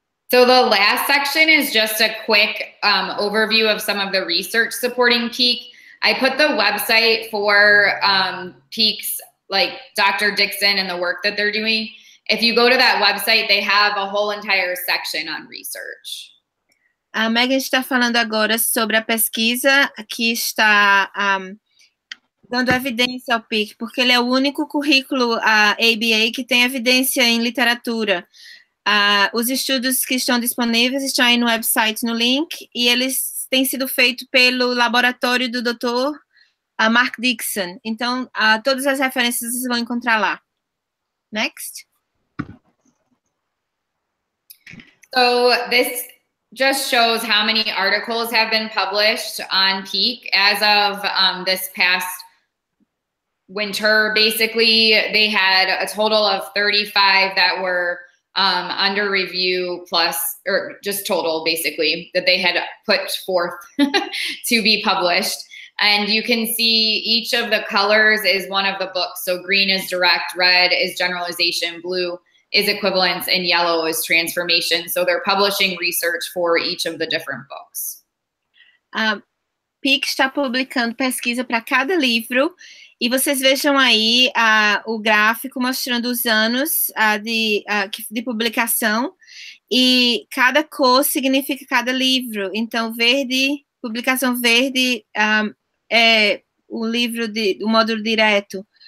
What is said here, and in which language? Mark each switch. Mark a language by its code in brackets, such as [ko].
[en] So the last section is just a quick overview of some of the research supporting PEAK. I put the website for PEAK's, like Dr. Dixon and the work that they're doing. If you go to that website, they have a whole entire section on research. [pt] A Megan está falando agora sobre a pesquisa que está dando evidência ao PEAK, porque ele é o único currículo ABA que tem evidência em literatura. Os estudos que estão disponíveis estão aí no website, no link, e eles tem sido feito pelo laboratório do Dr. Mark Dixon. Então, todas as referências vocês vão encontrar lá. [en] Next. So, this just shows how many articles have been published on PEAK as of this past winter. Basically, they had a total of 35 that were under review plus, or just total basically, that they had put forth to be published. And you can see each of the colors is one of the books. So green is direct, red is generalization, blue is equivalence, and yellow is transformation. So they're publishing research for each of the different books. [pt] PEAK está publicando pesquisa para cada livro. E vocês vejam aí o gráfico mostrando os anos de publicação. E cada cor significa cada livro. Então, verde, publicação verde é o livro do módulo direto.